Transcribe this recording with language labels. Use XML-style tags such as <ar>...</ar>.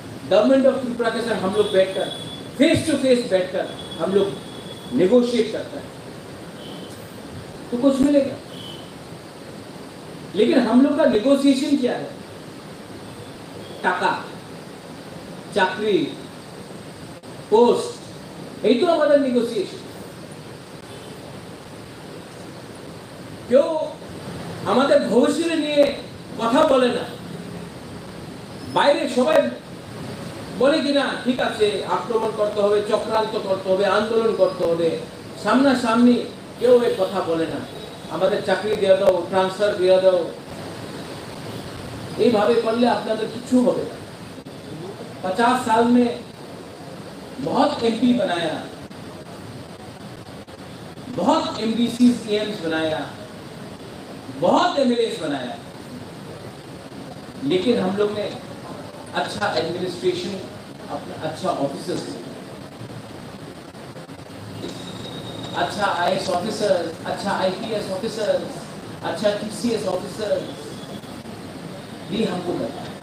<hi>Government of Tripura के साथ हम लोग बैठकर फेस टू फेस बैठकर हम लोग नेगोशिएट करता है तो कुछ मिलेगा। लेकिन हम लोग का नेगोशिएशन क्या है? टाका, चाकरी, पोस्ट, यही तो हमारा नेगोशिएशन। क्यों</hi> <bn>আমাদের ভবিষ্যৎ নিয়ে কথা বলে না? বাইরে সবাই বলে কি না, ঠিক আছে আক্রমণ করতে হবে, চক্রান্ত করতে হবে, আন্দোলন করতে হবে, সামনাসামনি কেউ এ কথা বলে না। আমাদের চাকরি দিয়ে দাও, ট্রান্সফার দিয়ে দাও, এইভাবে করলে আপনাদের কিছু হবে না।</bn> <hi>50 সাল মে বহুত এমপি বানায়া, বহুত এমডিসি সিএম বানায়া, बहुत एमएलएस बनाया, लेकिन हम लोग ने अच्छा एडमिनिस्ट्रेशन, अपना अच्छा ऑफिसर, अच्छा आईएएस ऑफिसर, अच्छा आईपीएस ऑफिसर, अच्छा टीसीएस ऑफिसर भी हमको करता।</hi>